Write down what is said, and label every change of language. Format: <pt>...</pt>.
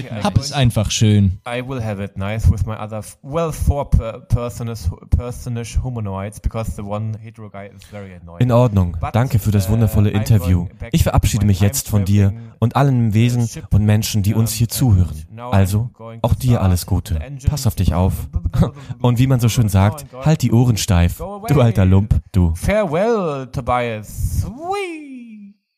<de>Hab es einfach schön.</de> <en>I will have it nice with my other, well, four personish humanoids, because the one hetero guy is very annoying.</en> <de>In Ordnung. Danke für das wundervolle Interview. Ich verabschiede mich jetzt von dir und allen Wesen und Menschen, die uns hier zuhören. Also, auch dir alles Gute. Pass auf dich auf. Und wie man so schön sagt, halt die Ohren steif, du alter Lump, du.</de> <en>Farewell, Tobias. Whee!</en>